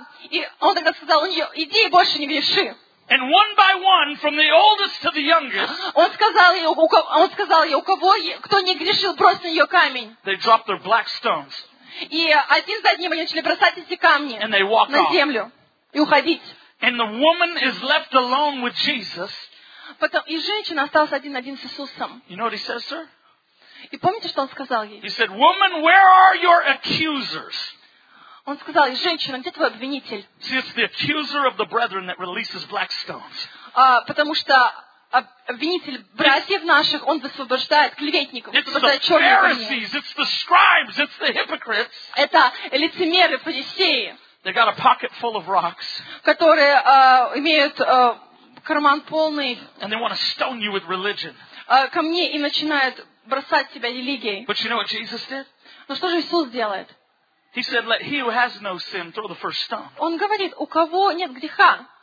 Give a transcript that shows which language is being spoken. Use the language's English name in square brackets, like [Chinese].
[Russian] И он тогда сказал, у нее, иди и больше не греши. [English] And one by one, from the oldest to the youngest, [Russian] он сказал ей, у кого, кто не грешил, брось на нее камень. [English] They dropped their black stones. [Russian] И один за одним они начали бросать эти камни на землю и уходить. [English] And the woman is left alone with Jesus. [Russian] И женщина осталась один на один с Иисусом. [English] You know what he says, sir? [Russian] И помните, что он сказал ей? [English] He said, "Woman, where are your accusers?" [Russian] Он сказал ей, женщина, где твой обвинитель? [English] See, it's the accuser of the brethren that releases black stones. [Russian] Потому что обвинитель братьев наших, он высвобождает клеветников, высвобождает черные камни. [English] It's the Pharisees, it's the scribes, it's the hypocrites. [Russian] Это лицемеры, фарисеи. [English] They got a pocket full of rocks. [Russian] Которые имеют карман полный. [English] And they want to stone you with religion. [Russian] Камни и начинают бросать тебя религией. [English] But you know what Jesus did? [Russian] Но что же Иисус делает? [English] He said, "Let he who has no sin throw the first stone." [Russian] Он говорит, у кого нет греха.